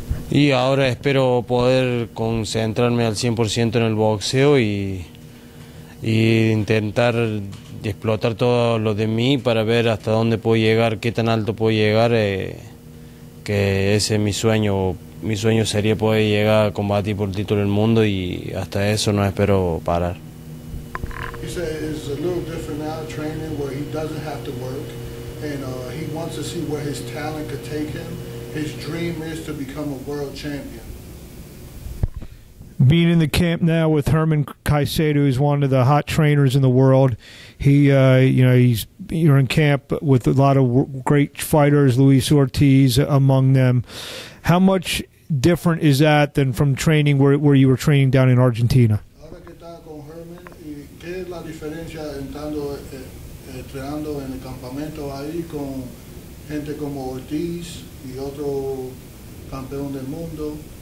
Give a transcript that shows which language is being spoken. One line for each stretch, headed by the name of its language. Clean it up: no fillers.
Spanish: Y ahora espero poder concentrarme al 100% en el boxeo y intentar y explotar todo lo de mí para ver hasta dónde puedo llegar, qué tan alto puedo llegar, que ese es mi sueño. Mi sueño sería poder llegar a combatir por el título del mundo y hasta eso no espero parar.
English: He said it's a little different now, training, where he doesn't have to work, and he wants to see where his talent could take him. His dream is to become a world champion. Being in the camp now with Herman Caicedo, who's one of the hot trainers in the world, you're in camp with a lot of great fighters, Luis Ortiz among them. How much different is that than from training where you were training down in Argentina?
Spanish: Ahora que está con Herman, ¿qué es la diferencia entrando entrenando en el campamento ahí con gente como Ortiz y otro campeón del mundo?